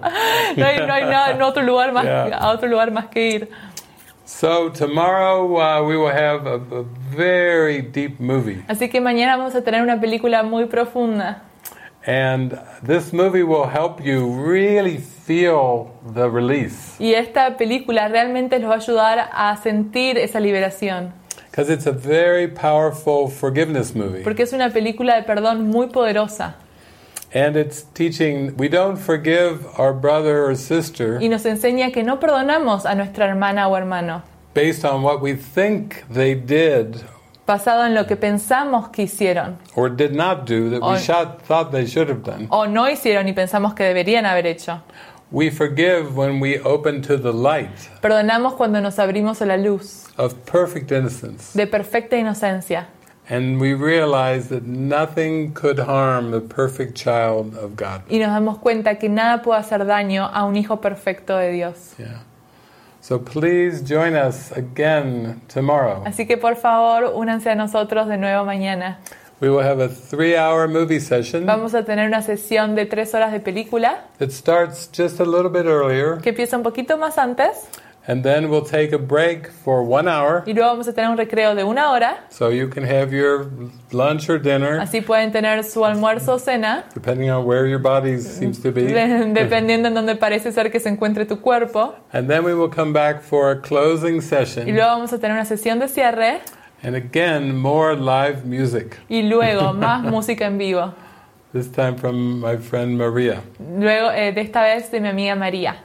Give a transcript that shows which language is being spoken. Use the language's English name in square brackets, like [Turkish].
[Spanish] No hay nada, a otro lugar más que ir. [English] So tomorrow we will have a very deep movie. [Spanish] Así que mañana vamos a tener una película muy profunda. [English] And this movie will help you really feel the release. [Spanish] Y esta película realmente los va a ayudar a sentir esa liberación. [English] Because it's a very powerful forgiveness movie. [Spanish] Porque es una película de perdón muy poderosa. [English] And it's teaching we don't forgive our brother or sister. [Spanish] Y nos enseña que no perdonamos a nuestra hermana o hermano. [English] Based on what we think they did. [Spanish] Basado en lo que pensamos que hicieron. [English] Or did not do, that we thought they should have done. [Spanish] O no hicieron y pensamos que deberían haber hecho. [English] We forgive when we open to the light. [Spanish] Perdonamos cuando nos abrimos a la luz. [English] Of perfect innocence. [Spanish] De perfecta inocencia. [English] And we realize that nothing could harm the perfect child of God. [Spanish] Y nos damos cuenta que nada puede hacer daño a un hijo perfecto de Dios. [English] Yeah. So please join us again tomorrow. [Spanish] Así que por favor, únanse a nosotros de nuevo mañana. [English] We will have a 3-hour movie session. [Spanish] Vamos a tener una sesión de 3 horas de película. [English] It starts just a little bit earlier. [Spanish] Que empieza un poquito más antes. [English] And then we'll take a break for 1 hour. [Spanish] Y luego vamos a tener un recreo de 1 hora. [English] So you can have your lunch or dinner. [Spanish] Así pueden tener su almuerzo o cena. [English] Depending on where your body seems to be. [Spanish] Dependiendo en donde parece ser que se encuentre tu cuerpo. [English] And then we will come back for a closing session. [Spanish] Y luego vamos a tener una sesión de cierre. [English] And again, more live music. [Spanish] Y luego más música en vivo. [English] This time from my friend Maria. [Spanish] Luego de esta vez de mi amiga María.